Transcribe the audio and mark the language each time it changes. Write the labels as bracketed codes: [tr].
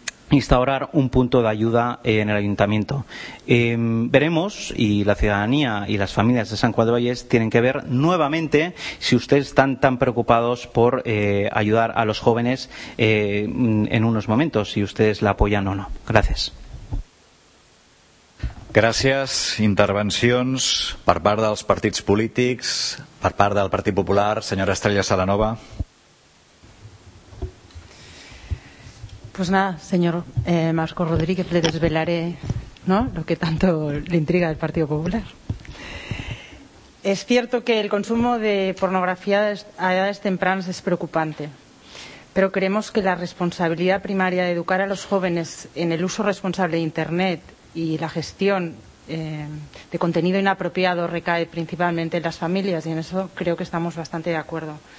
[es] instaurar un punto de ayuda en el ayuntamiento. Veremos, y la ciudadanía y las familias de San Cuadro Valles tienen que ver nuevamente si ustedes están tan preocupados por ayudar a los jóvenes en unos momentos, si ustedes la apoyan o no. Gracias. [ca] Gràcies. Intervencions per part dels partits polítics, per part del Partit Popular, senyora Estrella Salanova. [es] Pues nada, señor Marcos Rodríguez, le desvelaré, ¿no?, lo que tanto le intriga al Partido Popular. Es cierto que el consumo de pornografía a edades tempranas es preocupante, pero creemos que la responsabilidad primaria de educar a los jóvenes en el uso responsable de Internet y la gestión de contenido inapropiado recae principalmente en las familias, y en eso creo que estamos bastante de acuerdo.